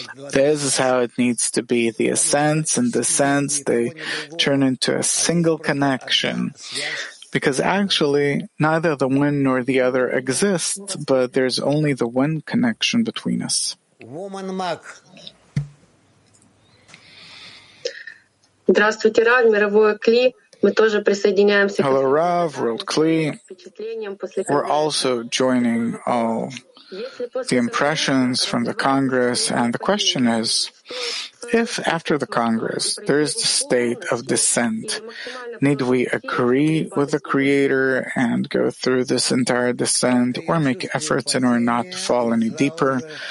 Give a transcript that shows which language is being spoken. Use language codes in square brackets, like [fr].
[en] This is how it needs to be. The ascents and descents, they turn into a single connection. Because actually, neither the one nor the other exists, but there's only the one connection between us. Woman Mac. [ru] Здравствуйте, Рав, мировое Кли. [en] Hello, Rav, World Kli. We're also joining all the impressions from the Congress. And the question is, if after the Congress there is the state of descent, need we agree with the Creator and go through this entire descent or make efforts in order not to fall any deeper?